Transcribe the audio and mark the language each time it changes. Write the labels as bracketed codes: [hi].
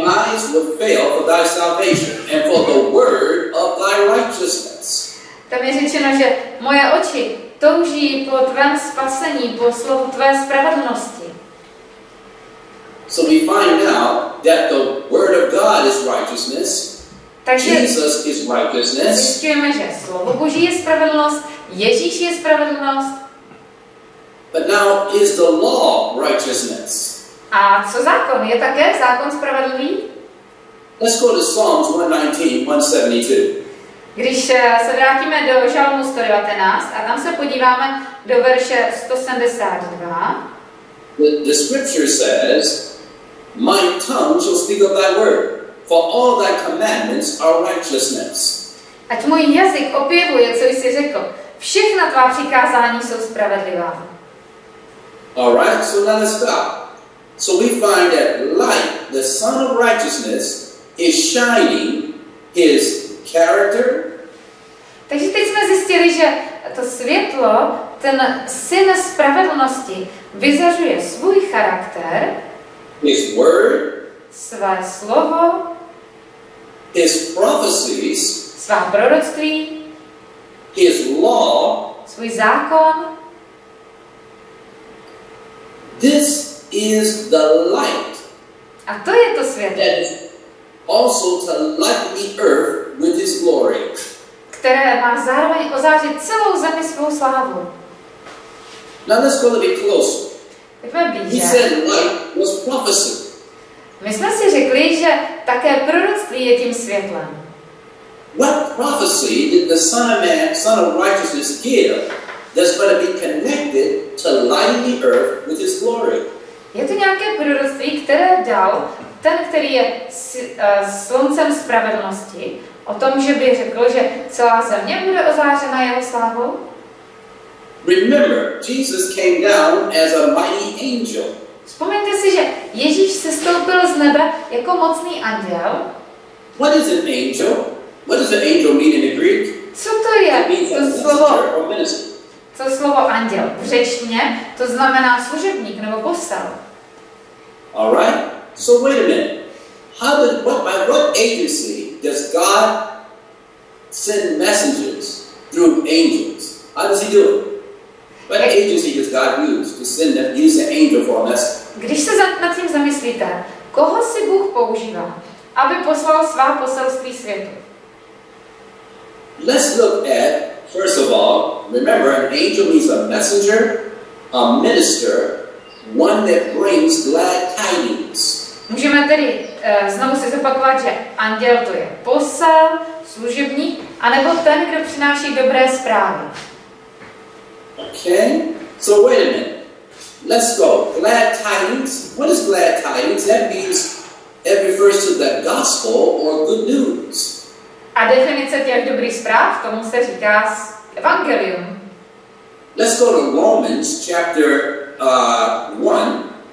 [en] 119:123 says, my eyes will fail for thy salvation and for the word of thy righteousness. [cs] Tam je řečeno, že moje oči touží po tvém spasení, po slovu tvé spravedlnosti. [en] So we find out that the word of God is righteousness. [cs] Takže [en] Jesus is righteousness. [cs] Zjistujeme, že slovo Boží je spravedlnost, Ježíš je spravedlnost. [en] But now is the law righteousness? [cs] A co zákon? Je také zákon spravedlivý? [en] Let's go to Psalms 119:172. [cs] Když se vrátíme do Žalmu 119 a tam se podíváme do verše 172. [en] The scripture says, my tongue shall speak of thy word, for all thy commandments are righteousness. [cs] Ať můj jazyk opěvuje, co jsi řekl. Všechna tvá přikázání jsou spravedlivá. [en] All right, so let us stop. So we find that light, the sun of righteousness, is shining his character. [cs] Takže teď jsme zjistili, že to světlo, ten syn spravedlnosti, vyzařuje svůj charakter. [en] His word. [cs] Své slovo. [en] His prophecies. [cs] Svá proroctví. [en] His law. [cs] Svůj zákon. [en] This is the light. [cs] A to je to světlo. [en] That is also to light the earth with his glory. [cs] Které má zároveň ozářit celou zemi svou slávu. [en] Now let's go a bit closer. [cs] Pojďme blíže. [en] He said light was prophecy. [cs] My jsme si řekli, že také proroctví je tím světlem. [en] What prophecy did the Son of Man, Son of Righteousness give that's going to be connected to lighting the earth with his glory? [cs] Je to nějaké proroctví, které dal ten, který je sluncem spravedlnosti, o tom, že by řekl, že celá země bude ozářena jeho slávou? [en] Remember, Jesus came down as a mighty angel. [cs] Vzpomeňte si, že Ježíš sestoupil z nebe jako mocný anděl. [en] What is an angel? What does an angel mean in the Greek? [cs] Co to je? To slovo. To slovo anděl. V řečtině to znamená služebník nebo posel. [en] All right. So wait a minute. How did by what agency does God send messengers through angels? How does he do it? What agency does God use to send them, use an angel for a message? [cs] Když se nad tím zamyslíte, koho si Bůh používá, aby poslal svá poselství světu? [en] Let's look at, first of all, remember, an angel means a messenger, a minister, one that brings glad tidings. [cs] Můžeme tedy znovu si zopakovat, že anděl to je posel, služebník, anebo ten, kdo přináší dobré zprávy. [en] Okay, so wait a minute. Let's go. Glad tidings. What is glad tidings? That means it refers to the gospel or good news. [cs] A definice těch dobrých zpráv, tomu se říká evangelium. [en] Let's go to Romans chapter 1.